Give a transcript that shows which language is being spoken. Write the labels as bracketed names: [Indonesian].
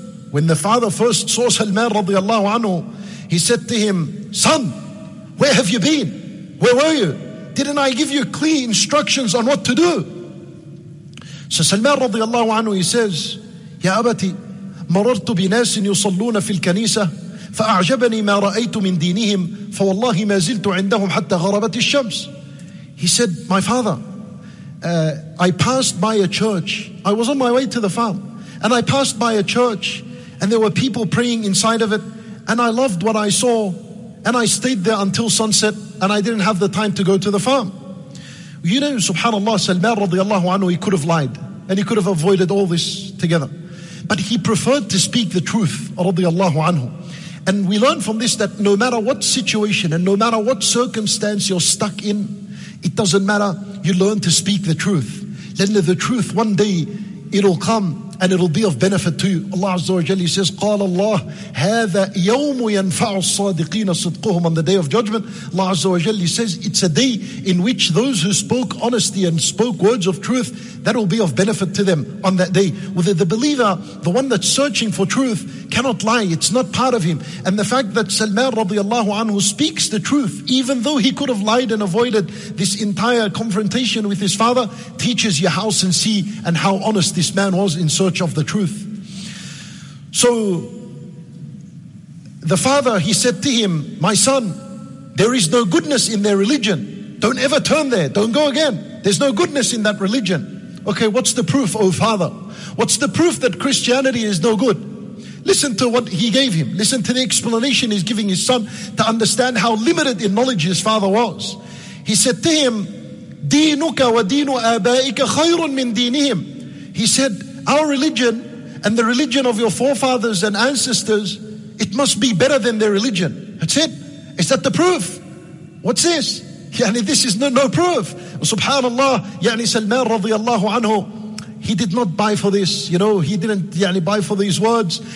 [English] When the father first saw Salman [Arabic] رضي الله عنه, [English] he said to him, son, where have you been? Where were you? Didn't I give you clear instructions on what to do? [Arabic] So Salman رضي الله عنه, [English] he says, [Arabic] يا أبتي مررت بناس يصلون في الكنيسة فأعجبني ما رأيت من دينهم فوالله ما زلت عندهم حتى غربت الشمس. [English] He said, my father, I passed by a church. I was on my way to the farm, and I passed by a church, and there were people praying inside of it, and I loved what I saw, and I stayed there until sunset, and I didn't have the time to go to the farm. You know, subhanAllah, Salman radiallahu anhu, he could have lied and he could have avoided all this together, but he preferred to speak the truth radiallahu anhu. And we learn from this that no matter what situation and no matter what circumstance you're stuck in, it doesn't matter. You learn to speak the truth. Then the truth, one day, it'll come and it'll be of benefit to you. [Arabic] Allah Azza wa Jalla says, قال الله هذا يوم ينفع الصادقين صدقهم. [English] On the day of judgment, Allah Azza wa Jalla says, it's a day in which those who spoke honesty and spoke words of truth, that'll be of benefit to them on that day. Whether the believer, the one that's searching for truth, cannot lie, it's not part of him. And the fact that Salman radiallahu anhu speaks the truth, even though he could have lied and avoided this entire confrontation with his father, teaches you how sincere and how honest this man was in search of the truth. So the father, he said to him, my son, there is no goodness in their religion. Don't ever turn there, don't go again. There's no goodness in that religion. Okay, what's the proof, oh father? What's the proof that Christianity is no good? Listen to what he gave him. Listen to the explanation he's giving his son to understand how limited in knowledge his father was. He said to him, [Arabic] دينك ودين آبائك خير من دينهم. [English] He said, our religion and the religion of your forefathers and ancestors, it must be better than their religion. That's it. Is that the proof? What's this? Yani, this is no proof. SubhanAllah, yani Salman radiallahu anhu, he did not buy for this, you know, he didn't yani buy for these words.